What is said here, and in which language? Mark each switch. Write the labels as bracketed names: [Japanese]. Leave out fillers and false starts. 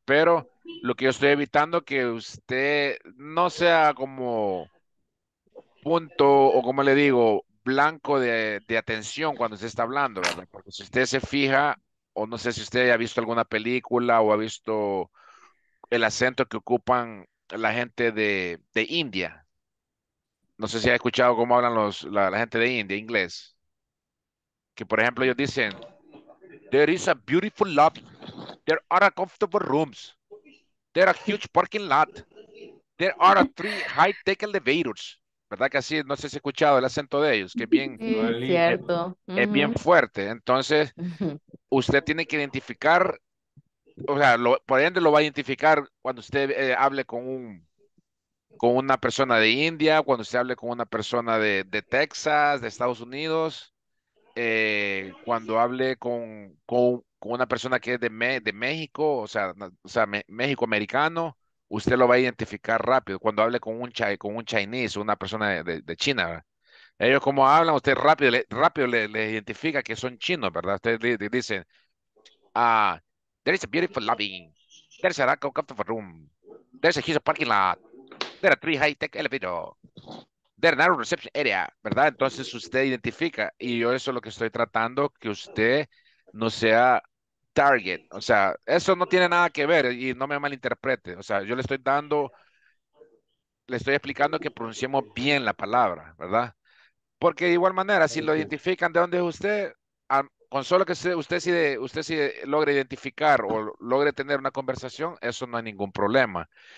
[Spanish] Pero lo que yo estoy evitando que usted no sea como punto, o como le digo, blanco de atención cuando se está hablando, ¿verdad? Porque si usted se fija, o no sé si usted ha visto alguna película o ha visto el acento que ocupan la gente de India. No sé si ha escuchado cómo hablan la gente de India, inglés. Que, por ejemplo, ellos dicen, [English] there is a beautiful lobby, there are comfortable rooms, there are huge parking lot, there are three high-tech elevators. [Spanish] ¿Verdad que así? No sé si he escuchado el acento de ellos, que bien, sí, es bien cierto. Es bien fuerte. Entonces, usted tiene que identificar, o sea, por ende lo va a identificar cuando usted hable con una persona de India, cuando usted hable con una persona de Texas, de Estados Unidos, cuando hable con una persona que es de México, México americano. Usted lo va a identificar rápido cuando hable con un chinese, una persona de China, ¿verdad? Ellos, como hablan, usted rápido le identifica que son chinos, ¿verdad? Usted le dice, [English] there is a beautiful lobby, there is a comfortable room, there is a huge parking lot, there are three high-tech elevators, there is a narrow reception area, [Spanish] ¿verdad? Entonces usted identifica, y yo eso es lo que estoy tratando, que usted no sea target. O sea, eso no tiene nada que ver, y no me malinterprete. O sea, yo le estoy explicando que pronunciemos bien la palabra, ¿verdad? Porque de igual manera, si lo identifican de dónde es usted, con solo que usted si logre identificar o logre tener una conversación, eso no hay ningún problema.